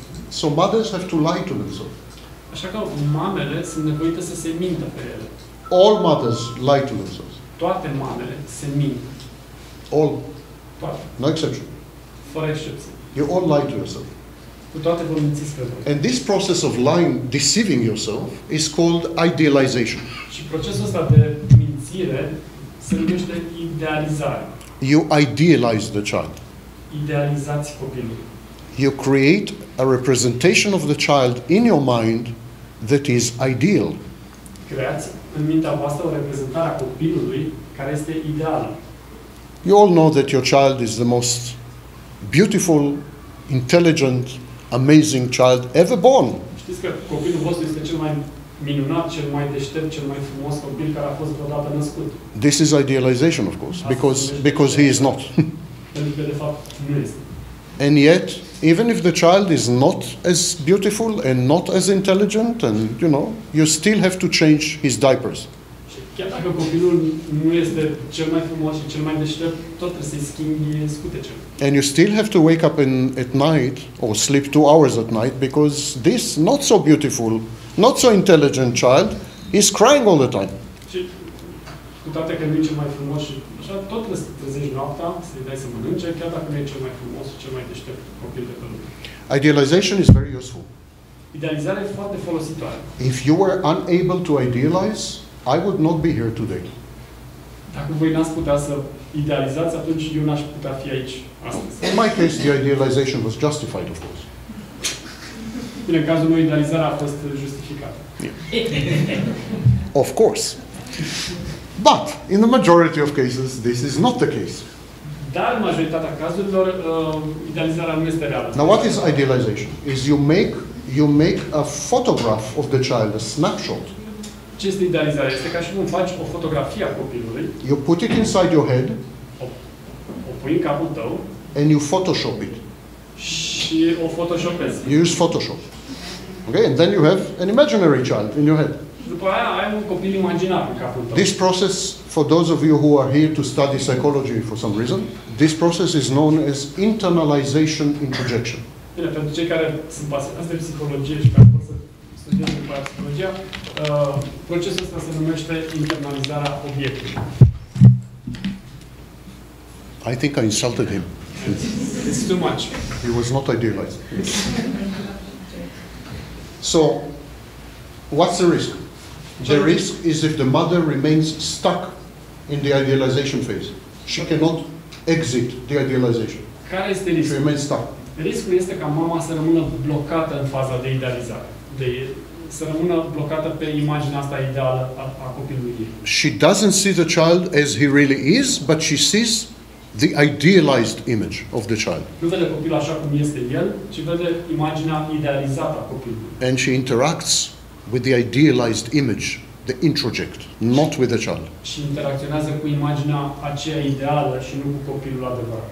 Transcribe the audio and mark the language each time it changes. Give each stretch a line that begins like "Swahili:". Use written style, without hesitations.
English: So mothers have to lie to themselves.
Romanian: Așa că mamele sunt nevoite să se mintă pe ele.
English: All mothers lie to themselves.
Romanian: Toate mamele se mint.
English: All.
Romanian: Toate.
English: No exception.
Romanian: Fără excepție.
English: You all lie to yourself.
Romanian: Cu toate vor minți spre voi.
English: And this process of lying, deceiving yourself, is called idealization.
Romanian: Și procesul ăsta de mințire se numește idealizare.
English: You idealize the child.
Romanian: Idealizați copilul.
English: You create a representation of the child in your mind that is ideal.
Romanian: Creați în mintea voastră o reprezentare a copilului care este ideal.
English: You all know that your child is the most beautiful, intelligent, amazing child ever born.
Romanian: Știți că copilul vostru este cel mai minunat, cel mai deștept, cel mai frumos copil care a fost vreodată născut.
English: This is idealization, of course, because he is not.
Romanian: Pentru că de fapt nu este.
English: And yet, even if the child is not as beautiful and not as intelligent, and you know, you still have to change his diapers.
Romanian: Chiar dacă copilul nu este cel mai frumos și cel mai deștept, tot trebuie să-i schimbi scutecele.
English: And you still have to wake up at night or sleep 2 hours at night because this not so beautiful, not so intelligent child is crying all the time.
Romanian: Și cu toate că nu e cel mai frumos și așa, tot trebuie să trezești noaptea, să-i dai să mănânce, chiar dacă nu e cel mai frumos și cel mai deștept copil de pe lume.
English: Idealization is very useful.
Romanian: Idealizarea e foarte folositoare.
English: If you were unable to idealize, I would not be here today.
Romanian: Dacă voi n-ați putea să idealizați, atunci eu n-aș putea fi aici astăzi.
English: In my case, the idealization was justified, of course.
Romanian: Bine, în cazul meu, idealizarea a fost justificată.
English: Yeah. Of course. But, in the majority of cases, this is not the case.
Romanian: Dar, în majoritatea cazurilor, idealizarea nu este reală.
English: Now, what is idealization? Is you make a photograph of the child, a snapshot.
Romanian: Ce este idealizarea? Este ca și cum faci o fotografie a copilului.
English: You put it inside your head.
Romanian: O pui în capul tău.
English: And you photoshop it.
Romanian: Și o photoshopezi.
English: You use Photoshop. Okay, and then you have an imaginary child in your head.
Romanian: După aia ai un copil imaginar în capul tău.
English: This process, for those of you who are here to study psychology for some reason, this process is known as internalization introjection.
Romanian: Bine, pentru cei care sunt pasionați de psihologie și care pot să studieze după aia psihologia, procesul ăsta se numește internalizarea obiectului.
English: I think I insulted him. It's too much. He was not idealized. So, what's the risk? The risk is if the mother remains stuck in the idealization phase. She cannot exit the idealization.
Romanian: Care este riscul?
English: She remains stuck.
Romanian: Riscul este ca mama să rămână blocată în faza de idealizare. Să rămână blocată pe imaginea asta ideală a copilului ei.
English: She doesn't see the child as he really is, but she sees the idealized image of the child.
Romanian: Nu vede copilul așa cum este el, ci vede imaginea idealizată a copilului.
English: And she interacts with the idealized image, the introject, not with the child.
Romanian: Și interacționează cu imaginea aceea ideală și nu cu copilul adevărat.